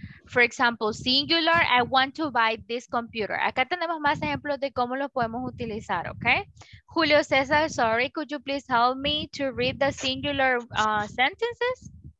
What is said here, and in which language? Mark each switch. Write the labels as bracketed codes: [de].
[en] For example, singular, I want to buy this computer. [es] Acá tenemos más ejemplos de cómo los podemos utilizar, okay? [en] Julio César, sorry, could you please help me to read the singular sentences?